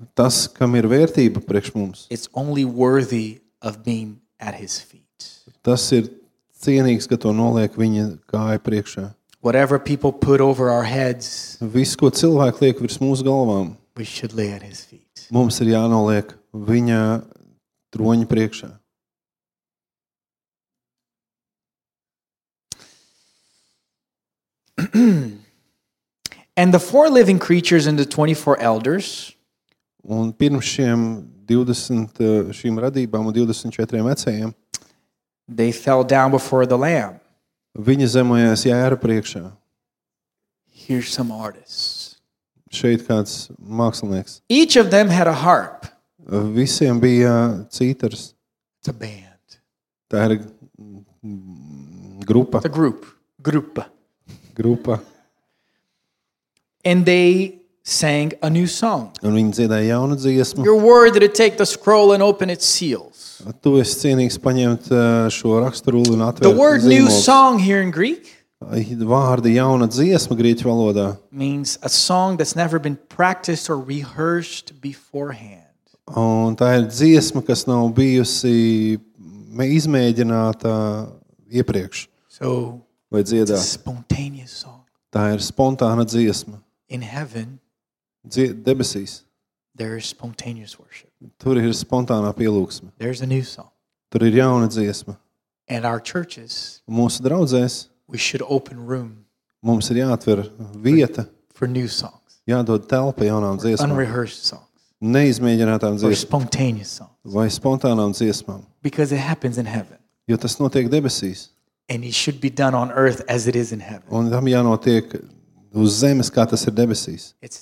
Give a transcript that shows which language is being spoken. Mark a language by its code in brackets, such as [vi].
[lv] tas, kam ir vērtība priekš mums, [en] it's only worthy of being at his feet. [lv] Tas ir cienīgs, ka to noliek viņa kāja priekšā. [en] Whatever people put over our heads, [lv] viss, ko cilvēki liek virs mūsu galvām, [en] we should lay at his feet. [lv] Mums ir jānoliek viņa troņa priekšā. [en] And the four living creatures and the 24 elders, [lv] un pirms šiem 20 šīm radībām un 24 vecējiem, [en] they fell down before the lamb. [lv] Viņi zemojās Jēra priekšā. [en] Here's some artists. [lv] Šeit kāds mākslinieks. [en] Each of them had a harp. [lv] Visiem bija cītars. [en] It's a band. [lv] Tā ir grupa. [en] It's a group. [lv] Grupa. Grupa. [en] And they sang a new song. [lv] Un viņi dziedāja jaunu dziesmu. [en] You're worthy to take the scroll and open its seals. [lv] Tu esi cienīgs paņemt šo raksturuli un atvērt zīmogu. [en] The word zīmogu. New song here in Greek. [lv] Vārdi jauna dziesma grieķu valodā. [en] Means a song that's never been practiced or rehearsed beforehand. [lv] Un tā ir dziesma, kas nav bijusi izmēģināta iepriekš. [en] So, [lv] vai dziedā. [en] It's a spontaneous song. [lv] Tā ir spontāna dziesma. [en] In heaven, [lv] debesīs. [en] There is spontaneous worship. [lv] Tur ir spontānā pielūgsme. [en] There's a new song. [lv] Tur ir jauna dziesma. [en] And our churches, [lv] mūsu draudzēs, [en] we should open room. [lv] Mums ir jāatver vieta [en] for new songs. [lv] Jādod telpa jaunām dziesmām. [en] Unrehearsed songs. [lv] Neizmēģinātām dziesmām. [en] For spontaneous songs. [lv] Vai spontānām dziesmām. [en] Because it happens in heaven. [lv] Jo tas notiek debesīs. [en] And it should be done on earth as it is in heaven. [lv] Un tam jānotiek uz zemes, kā tas ir debesīs.